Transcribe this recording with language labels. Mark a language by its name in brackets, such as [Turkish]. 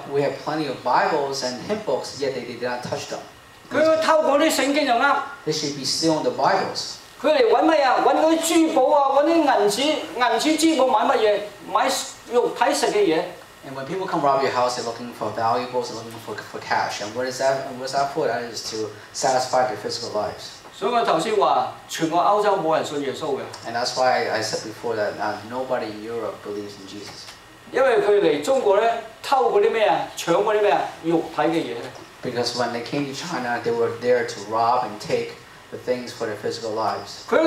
[English] We have plenty of Bibles and hymn books, yet they did not touch them. [Chinese] 他們偷過那些聖經就對了。 [English] They should be stealing the Bibles. [Chinese] 他們來找什麼? 找那些珠寶,找那些銀紙,銀紙珠寶買什麼?買肉體吃的東西。 [English] And when people come rob your house, they're looking for valuables, they're looking for cash. And what is that? And what's that for? That is to satisfy their physical lives. And that's why I said before that nobody in Europe believes in Jesus. Because when they came to China, they were there to rob and take the things for their physical lives.